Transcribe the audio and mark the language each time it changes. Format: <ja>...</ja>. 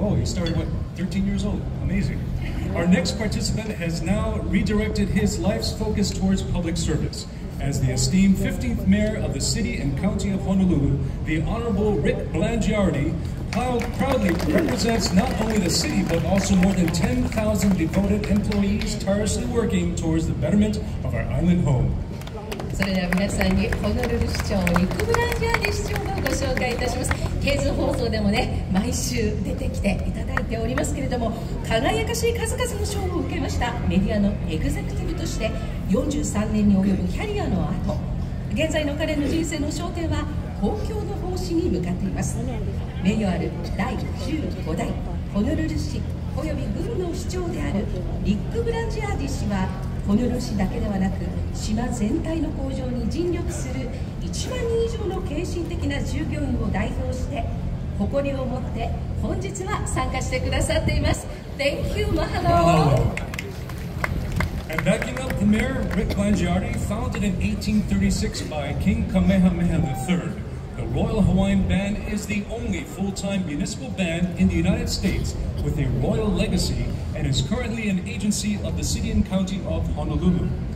<en>Oh, he started, what, 13 years old? Amazing. Our next participant has now redirected his life's focus towards public service. As the esteemed 15th mayor of the city and county of Honolulu, the Honorable Rick Blangiardi proudly represents not only the city, but also more than 10,000 devoted employees tirelessly working towards the betterment of our island home.</en> <ja>それでは皆さんにホノルル市長、リック・ブランジャーリ市長をご紹介いたします。ケーズ放送でもね、毎週出てきていただいておりますけれども、輝かしい数々の賞を受けましたメディアのエグゼクティブとして、43年に及ぶキャリアの後、現在の彼の人生の焦点は公共の奉仕に向かっています。名誉ある第15代ホノルル市及び郡の市長であるリック・ブランジャーリ氏は、ホノルル市だけではなく島全体の向上に尽力する1万人以上の献身的な従業員を代表して誇りを持って本日は参加してくださっています。</ja> <en>Thank you, mahalo. And backing up the mayor, Rick Blangiardi, founded in 1836 by King Kamehameha III. The Royal Hawaiian Band is the only full-time municipal band in the United States with a royal legacy and is currently an agency of the city and county of Honolulu.</en>